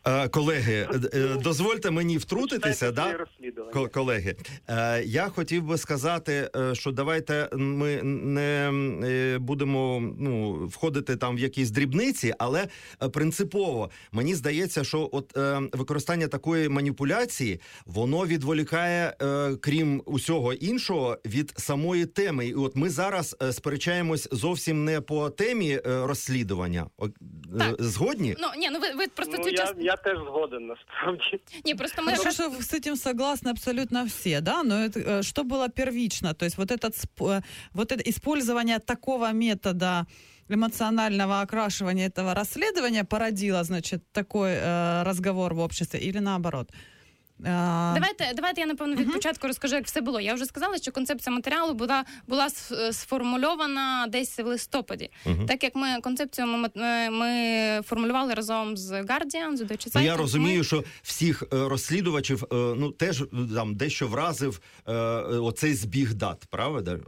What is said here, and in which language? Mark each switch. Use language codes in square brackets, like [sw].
[uk] Колеги, дозвольте мені втрутитися, да? Колеги, я хотів би сказати, що давайте ми не будемо, ну, входити там в якісь дрібниці, але принципово мені здається, що от використання такої маніпуляції, воно відволікає, крім усього іншого, від самої теми. І от ми зараз сперечаємось зовсім не по темі розслідування. Так. Згодні? Ну, ні, ну ви просто ну, цю частину... Я теж згоден, насправді. Ні, просто ми... Ну, що з цим согласні абсолютно всі, да? Ну, що було первично? [ru] Тобто, вот этот, вот это использование такого метода эмоционального окрашивания этого расследования породило, значит, такой разговор в обществе или наоборот? [uk] Давайте я, напевно, від початку розкажу, як все було. Я вже сказала, що концепція матеріалу була сформульована десь в листопаді. Так як ми концепцію ми формулювали разом з Guardian, з Deutsche Zeitung. Я розумію, що всіх розслідувачів, ну, теж там дещо вразив оцей збіг дат, правда?